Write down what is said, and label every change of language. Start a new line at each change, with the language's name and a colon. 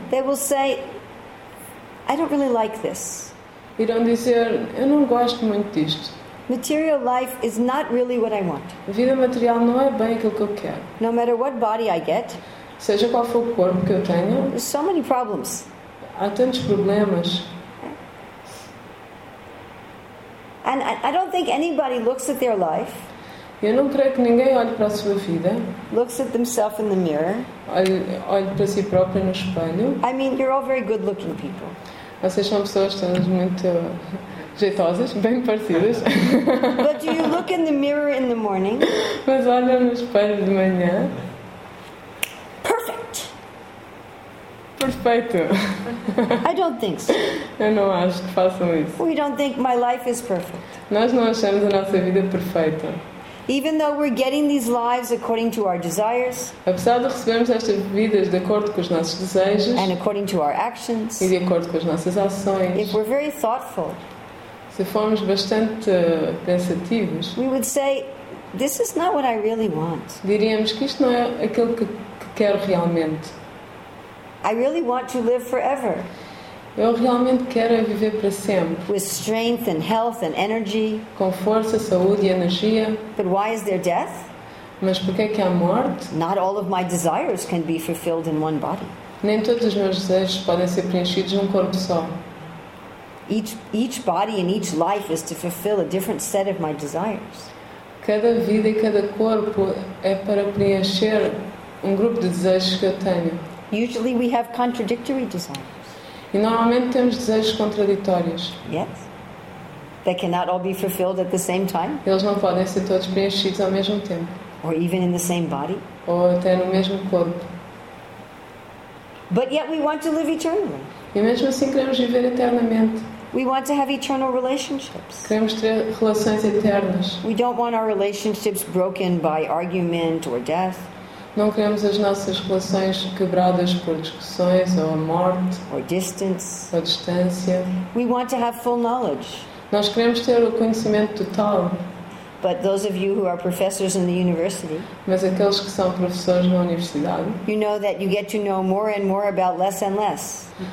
English: they will say, I don't really like this.
Portuguese: Irão dizer, eu não gosto muito disto.
English: Material life is not really what I want.
Portuguese: A vida material não é bem aquilo que eu quero.
English: No matter what body I get.
Portuguese: Seja qual for o corpo que eu tenho.
English: There's so many problems.
Portuguese: Há tantos problemas.
English: And I don't think anybody looks at their life.
Portuguese: Eu não creio que ninguém olhe para a sua vida.
English: Looks at themselves in the mirror.
Portuguese: Olhe para si próprio no espelho.
English: I mean, you're all very good-looking people.
Portuguese: Vocês são pessoas todas muito jeitosas, bem parecidas.
English: But do you look in the mirror in the morning?
Portuguese: Mas olha no espelho de manhã.
English: Perfect.
Portuguese: Perfeito.
English: I don't think so.
Portuguese: Eu não acho que façam isso.
English: We don't think my life is perfect.
Portuguese: Nós não achamos a nossa vida perfeita.
English: Even though we're getting these lives according to our desires,
Portuguese: apesar de recebermos estas vidas de acordo com os nossos desejos,
English: and according to our actions,
Portuguese: e de acordo com as nossas ações,
English: if we're very thoughtful,
Portuguese: se formos bastante pensativos,
English: we would say, this is not what I really want.
Portuguese: Diríamos que isto não é aquilo que quero realmente.
English: I really want to live forever.
Portuguese: Eu realmente quero viver para sempre.
English: With strength and health and energy.
Portuguese: Com força, saúde e energia.
English: But why is there death?
Portuguese: Mas por que é que há morte?
English: Not all of my desires can be fulfilled in one body.
Portuguese: Nem todos os meus desejos podem ser preenchidos num corpo só.
English: Each body and each life is to fulfill a different set of my desires.
Portuguese: Cada vida e cada corpo é para preencher um grupo de desejos que eu tenho.
English: Usually we have contradictory desires.
Portuguese: E normalmente temos desejos contraditórios.
English: Yes. They cannot all be fulfilled at the same time.
Portuguese: Eles não podem ser todos preenchidos ao mesmo tempo.
English: Or even in the same body.
Portuguese: Ou até no mesmo corpo.
English: But yet we want to live eternally.
Portuguese: E mesmo assim queremos viver eternamente.
English: We want to have eternal relationships.
Portuguese: Queremos ter relações eternas.
English: We don't want our relationships broken by argument or death.
Portuguese: Não queremos as nossas relações quebradas por discussões ou a morte.
English: Or distance.
Portuguese: Ou distância.
English: We want to have full knowledge.
Portuguese: Nós queremos ter o conhecimento total.
English: But those of you who are professors in the university,
Portuguese: mas aqueles que são professores na universidade,
English: you know that you get to know more and more about less and less.